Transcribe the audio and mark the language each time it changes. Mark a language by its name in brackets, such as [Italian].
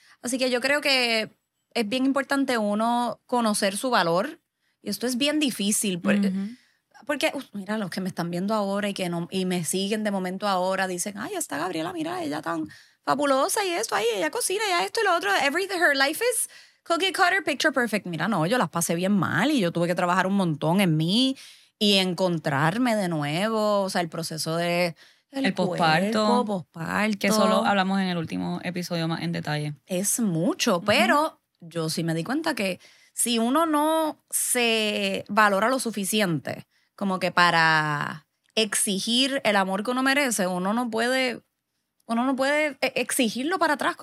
[Spanish] Así que yo creo que es bien importante uno conocer su valor. Y esto es bien difícil. Porque mira, los que me están viendo ahora y que no, y me siguen de momento ahora, dicen, ay, está Gabriela, mira, ella tan fabulosa y esto, ay, ella cocina, ya esto y lo otro. [English] Her life is cookie cutter, picture perfect. [Spanish] Mira, no, yo las pasé bien mal y yo tuve que trabajar un montón en mí. Y encontrarme de nuevo, o sea, el proceso de el posparto, que solo hablamos en el último episodio más en detalle. Es mucho, pero yo sí me di cuenta que si uno no se valora lo suficiente como que para exigir el amor que uno merece, uno no puede exigirlo para atrás.